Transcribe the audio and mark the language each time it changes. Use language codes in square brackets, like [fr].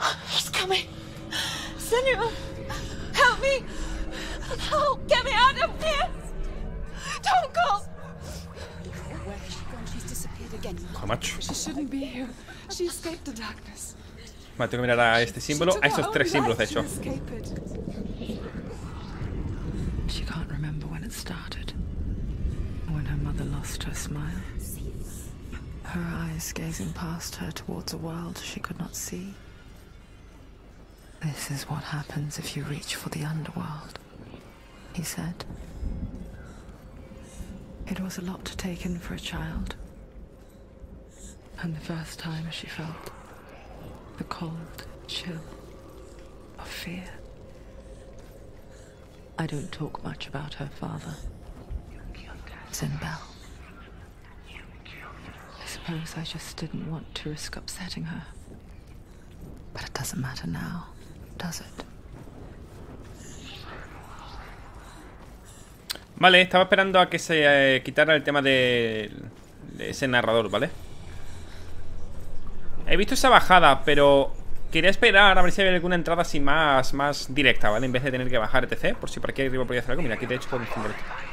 [en] He's coming! Senua! Help me! Help! Get me out of here! Don't go! Where has she gone? She's disappeared again. How much? She shouldn't be here. She escaped the darkness. [es] Vale, tengo que mirar a este símbolo, a esos tres símbolos, de hecho. [en] She can't remember when it started. When her mother lost her smile. Her eyes gazing past her towards a world she could not see. This is what happens if you reach for the underworld, he said. It was a lot to take in for a child. And the first time she felt the cold chill of fear. I don't talk much about her father, Zinbel. I suppose I just didn't want to risk upsetting her. But it doesn't matter now, does it? [es] Vale, estaba esperando a que se quitara el tema de ese narrador, ¿vale? He visto esa bajada, pero quería esperar a ver si había alguna entrada así más directa, ¿vale? En vez de tener que bajar etc. Por si por aquí arriba podía hacer algo. Mira, aquí de hecho puedo encender esto.